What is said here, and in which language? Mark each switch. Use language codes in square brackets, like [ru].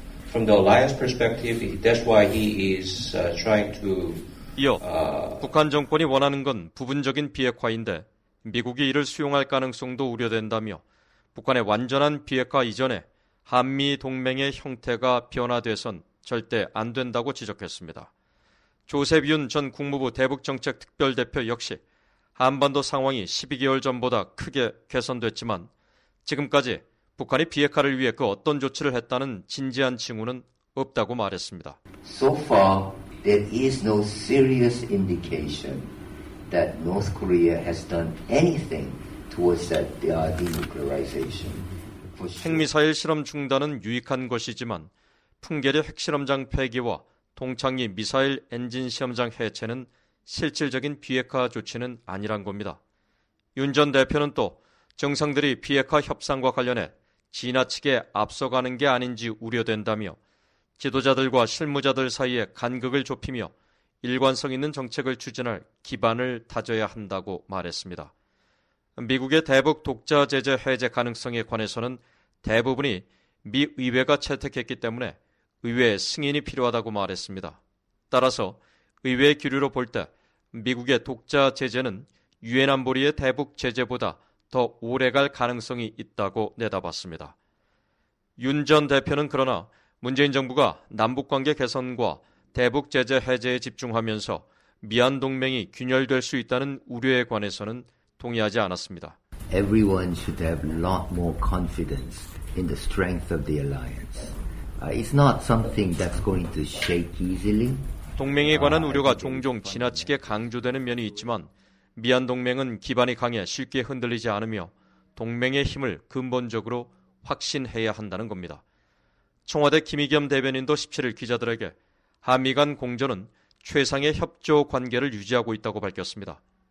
[en] From the alliance perspective, that's why he is trying to. [ko] 이어 북한 정권이 원하는 건 부분적인 비핵화인데 미국이 이를 수용할 가능성도 우려된다며 북한의 완전한 비핵화 이전에 한미 동맹의 형태가 변화돼선 절대 안 된다고 지적했습니다. 조셉 윤 전 국무부 대북정책특별대표 역시 한반도 상황이 12개월 전보다 크게 개선됐지만 지금까지 북한이 비핵화를 위해 그 어떤 조치를 했다는 진지한 징후는 없다고 말했습니다. [en] So far, there is no serious indication that North Korea has done anything towards that denuclearization. [ko] 핵미사일 실험 중단은 유익한 것이지만 풍계리 핵실험장 폐기와 동창리 미사일 엔진 시험장 해체는 실질적인 비핵화 조치는 아니란 겁니다. 윤 전 대표는 또 정상들이 비핵화 협상과 관련해 지나치게 앞서가는 게 아닌지 우려된다며 지도자들과 실무자들 사이에 간극을 좁히며 일관성 있는 정책을 추진할 기반을 다져야 한다고 말했습니다. 미국의 대북 독자 제재 해제 가능성에 관해서는 대부분이 미 의회가 채택했기 때문에 의회의 승인이 필요하다고 말했습니다. 따라서 의회의 규류로 볼 때 미국의 독자 제재는 유엔 안보리의 대북 제재보다 더 오래갈 가능성이 있다고 내다봤습니다. 윤 전 대표는 그러나 문재인 정부가 남북관계 개선과 대북 제재 해제에 집중하면서 미한 동맹이 균열될 수 있다는 우려에 관해서는 동의하지 않았습니다. [en] Everyone should have a lot more confidence in the strength of the alliance. It's not something that's going to shake easily. [ko] 동맹에 관한 우려가 종종 지나치게 강조되는 면이 있지만 미한 동맹은 기반이 강해 쉽게 흔들리지 않으며 동맹의 힘을 근본적으로 확신해야 한다는 겁니다. 청와대 김의겸 대변인도 17일 기자들에게 한미 간 공조는 최상의 협조 관계를 유지하고 있다고 밝혔습니다.